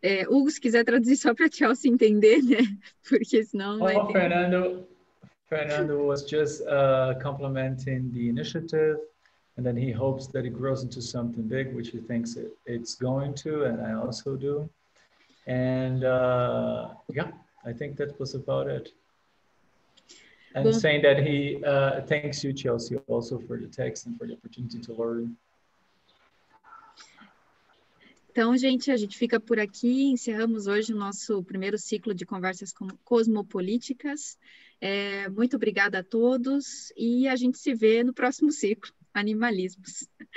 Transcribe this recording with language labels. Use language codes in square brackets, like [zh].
[pt] Hugo, se quiser traduzir só para a Chelsea entender, né? Porque senão... [en] Oh, Fernando... Fernando was just complimenting the initiative, and then he hopes that it grows into something big, which he thinks it's going to, and I also do. And yeah, I think that was about it. And well, saying that he thanks you, Chelsea, also for the text and for the opportunity to learn. [pt] Então, gente, a gente fica por aqui. Encerramos hoje o nosso primeiro ciclo de conversas cosmopolíticas. Muito obrigada a todos e a gente se vê no próximo ciclo, Animalismos.